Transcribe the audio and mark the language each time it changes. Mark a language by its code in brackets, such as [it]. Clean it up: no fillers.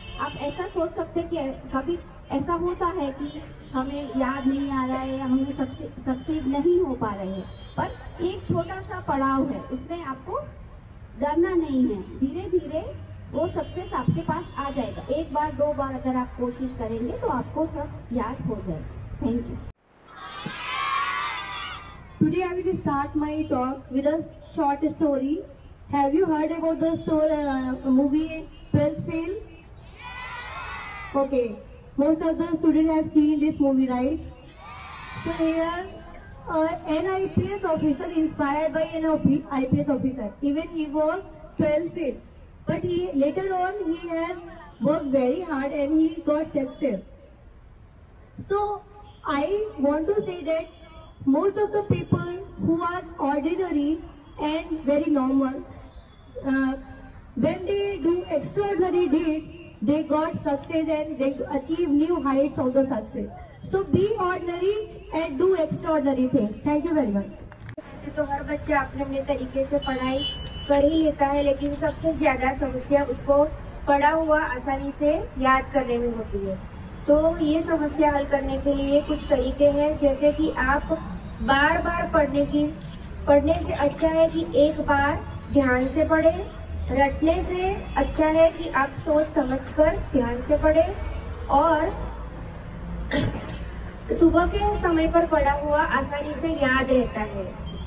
[hi] आप ऐसा सोच सकते हैं कि कभी ऐसा होता है कि हमें याद नहीं आ रहा है, हमें सक्सेस नहीं हो पा रहे हैं, पर एक छोटा सा पड़ाव है उसमें आपको डरना नहीं है। धीरे धीरे वो सक्सेस आपके पास आ जाएगा। एक बार दो बार अगर आप कोशिश करेंगे तो आपको सब याद हो जाएगा। [en] Thank you. Today I will start my talk with a short story. Have you heard about the story movie Prince Fail? Yeah. Okay, most of the students have seen this movie, right? Yeah. So here an IPS officer, inspired by an IPS officer, even he was Prince Fail, but he later on he has worked very hard and he got success. So I want to say that most of the people who are ordinary and very normal, when they do extraordinary deeds, they got success and they achieve new heights of the success. So be ordinary and do extraordinary things. Thank you very much. [hi] तो हर बच्चा अपने अपने तरीके से पढ़ाई कर ही लेता है, लेकिन सबसे ज्यादा समस्या उसको पढ़ा हुआ आसानी से याद करने में होती है। तो ये समस्या हल करने के लिए कुछ तरीके हैं, जैसे कि आप बार बार पढ़ने से अच्छा है कि एक बार ध्यान से पढ़े, रटने से अच्छा है कि आप सोच समझ कर ध्यान से पढ़े, और सुबह के समय पर पढ़ा हुआ आसानी से याद रहता है।